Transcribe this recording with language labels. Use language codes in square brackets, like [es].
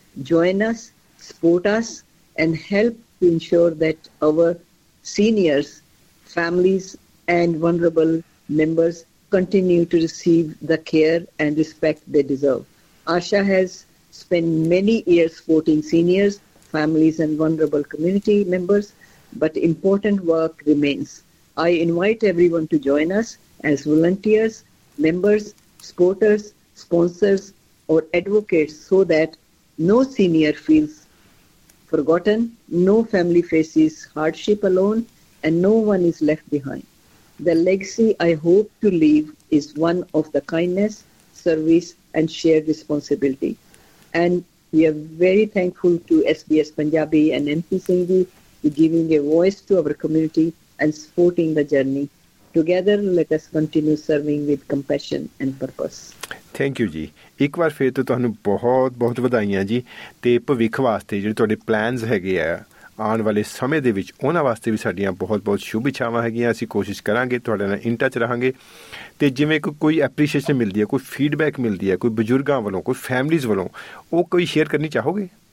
[en] Join us, support us and help to ensure that our seniors, families and vulnerable members continue to receive the care and respect they deserve. Asha has spend many years supporting seniors, families and vulnerable community members, but important work remains. I invite everyone to join us as volunteers, members, supporters, sponsors or advocates so that no senior feels forgotten, no family faces hardship alone and no one is left behind. The legacy I hope to leave is one of the kindness, service and shared responsibility. And we are very thankful to SBS Punjabi and MP Singhji giving a voice to our community and supporting the journey. Together, let us continue serving with compassion and purpose. Thank you, Ji. [pa] ਇੱਕ ਵਾਰ ਫਿਰ ਤੋਂ ਤੁਹਾਨੂੰ ਬਹੁਤ ਬਹੁਤ ਵਧਾਈਆਂ ਜੀ, ਅਤੇ ਭਵਿੱਖ ਵਾਸਤੇ ਜਿਹੜੇ ਤੁਹਾਡੇ ਪਲਾਨਸ ਹੈਗੇ ਆ, ਆਉਣ ਵਾਲੇ ਸਮੇਂ ਦੇ ਵਿੱਚ ਉਹਨਾਂ ਵਾਸਤੇ ਵੀ ਸਾਡੀਆਂ ਬਹੁਤ ਬਹੁਤ ਸ਼ੁਭ ਇੱਛਾਵਾਂ ਹੈਗੀਆਂ। ਅਸੀਂ ਕੋਸ਼ਿਸ਼ ਕਰਾਂਗੇ ਤੁਹਾਡੇ ਨਾਲ ਇਨ ਟੱਚ ਰਹਾਂਗੇ, ਅਤੇ ਜਿਵੇਂ ਕੋਈ ਐਪਰੀਸ਼ੀਏਸ਼ਨ ਮਿਲਦੀ ਹੈ, ਕੋਈ ਫੀਡਬੈਕ ਮਿਲਦੀ ਹੈ ਕੋਈ ਬਜ਼ੁਰਗਾਂ ਵੱਲੋਂ, ਕੋਈ ਫੈਮਿਲੀਜ਼ ਵੱਲੋਂ, ਉਹ ਕੋਈ ਸ਼ੇਅਰ ਕਰਨੀ ਚਾਹੋਗੇ?